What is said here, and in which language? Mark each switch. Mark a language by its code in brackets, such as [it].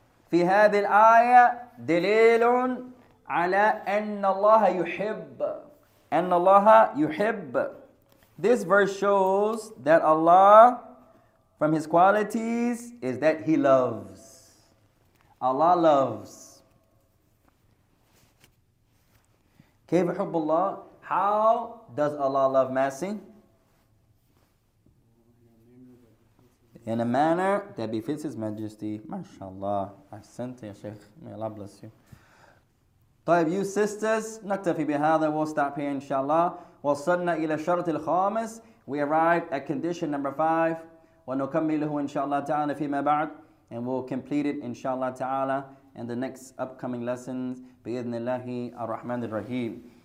[ar] في هذه الآية دليل على أن الله يحب. أن الله يحب. [en] This verse shows that Allah, from His qualities, is that He loves. Allah loves. [ar] كيف حب الله? [en] How does Allah love mercy? In a manner that befits His majesty. MashaAllah. I sent it, Shaykh. May Allah bless you. [ar] طيب, [en] you sisters, [ar] نكتفي بهذا. [en] We'll stop here, inshallah. [ar] وصلنا إلى الشرط الخامس. [en] We arrived at condition number 5. [ar] ونكمله إن شاء الله تعالى فيما بعد. [en] And we'll complete it, inshallah تعالى, in the next upcoming lessons. [ar] بإذن الله الرحمن الرحيم.